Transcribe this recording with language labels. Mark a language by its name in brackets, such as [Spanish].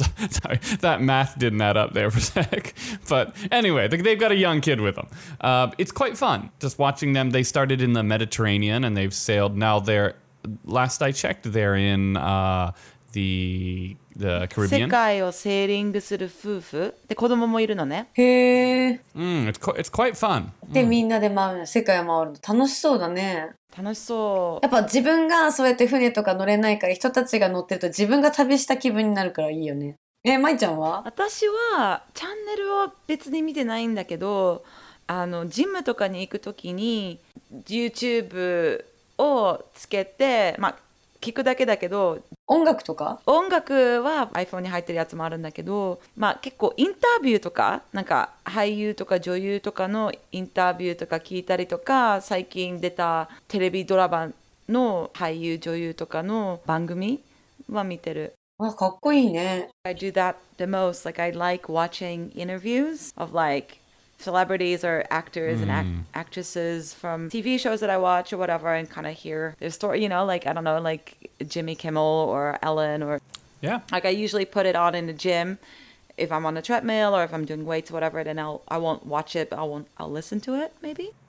[English] sorry, that math didn't add up there for a sec. But anyway, they've got a young kid with them. It's quite fun just watching them. They started in the Mediterranean and they've sailed. Now they're, last I checked, they're in the Caribbean. [Japanese] 世界をセーリングする夫婦。で、子供もいるのね。へぇ。 [English] It's quite fun. [Japanese] で、みんなで回るの、世界を回るの。楽しそうだね。楽しそう。やっぱ自分がそうやって船とか乗れないから、人たちが乗ってると自分が旅した気分になるからいいよね。まいちゃんは？私はチャンネルは別に見てないんだけど、あのジムとかに行くときに YouTube をつけて、まあ聞くだけだけど、音楽とか？音楽は iPhone に入ってるやつもあるんだけど、まあ結構インタビューとか、なんか俳優とか女優とかのインタビューとか聞いたりとか、最近出たテレビドラマの俳優女優とかの番組は見てる。わ、かっこいいね。 [English] I do that the most. Like I like watching interviews of like celebrities or actors and actresses from TV shows that I watch or whatever and kind of hear their story, you know, like, I don't know, like Jimmy Kimmel or Ellen or... Yeah. Like, I usually put it on in the gym if I'm on a treadmill or if I'm doing weights or whatever, then I won't watch it, but I'll listen to it, maybe.